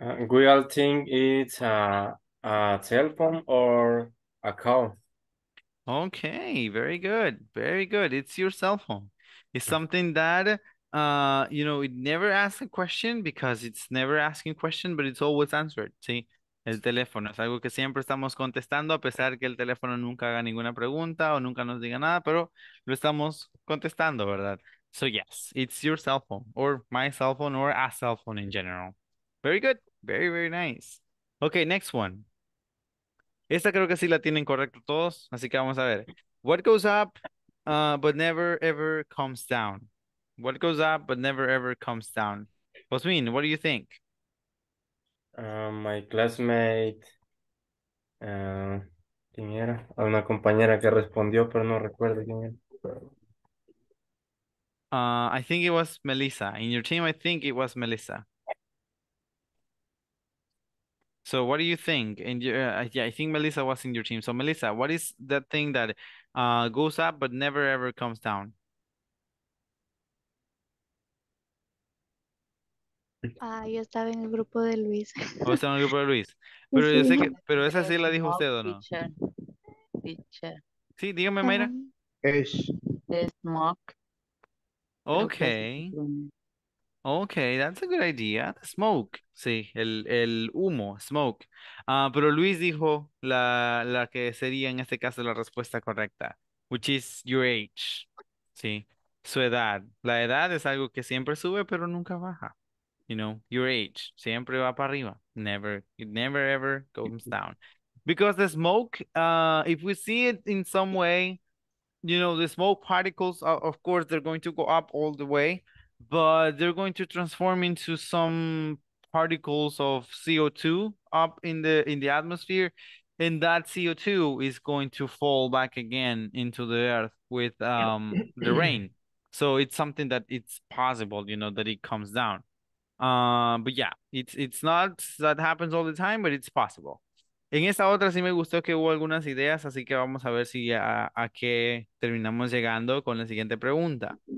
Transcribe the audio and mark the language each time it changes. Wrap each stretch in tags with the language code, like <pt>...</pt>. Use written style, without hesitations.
<en>We all think it's a cell phone or a call. Okay, very good. Very good. It's your cell phone. It's something that, you know, it never asks a question because it's never asking a question, but it's always answered. See?</en> <es>El teléfono es algo que siempre estamos contestando, a pesar que el teléfono nunca haga ninguna pregunta o nunca nos diga nada, pero lo estamos contestando, ¿verdad?</es> <en>So yes, it's your cell phone, or my cell phone, or a cell phone in general. Very good, very, very nice. Okay, next one.</en> <es>Esta creo que sí la tienen correcto todos, así que vamos a ver.</es> <en>What goes up, but never ever comes down? What goes up, but never ever comes down? Osmin, what do you think? My classmate,</en> <es>¿quién era? A una compañera que respondió, pero no recuerdo quién era.</es> <en>I think it was Melissa. In your team, I think it was Melissa. So what do you think? And yeah, I think Melissa was in your team. So Melissa, what is that thing that goes up but never ever comes down?</en> <es>Yo estaba en el grupo de Luis. ¿Cómo está en el grupo de Luis? Pero sí. Yo sé que, pero esa sí la dijo usted, ¿o no?</es> <en>Teacher.</en> <es>Sí, dígame, Mayra. Es. Es smoke.</es> <en>Okay. Okay, that's a good idea. The smoke.</en> <es>Sí, el humo, smoke. Pero Luis dijo la que sería en este caso la respuesta correcta,</es> <en>which is your age.</en> <es>Sí, su edad. La edad es algo que siempre sube, pero nunca baja.</es> <en>You know, your age,</en> <es>siempre va para arriba.</es> <en>Never, it never ever comes down. Because the smoke, if we see it in some way, you know, the smoke particles, of course, they're going to go up all the way, but they're going to transform into some particles of CO2 up in the atmosphere. And that CO2 is going to fall back again into the earth with the rain. So it's something that it's possible, you know, that it comes down. But yeah, it's not that happens all the time, but it's possible.</en> <es>En esta otra sí me gustó que hubo algunas ideas, así que vamos a ver si a qué terminamos llegando con la siguiente pregunta.</es>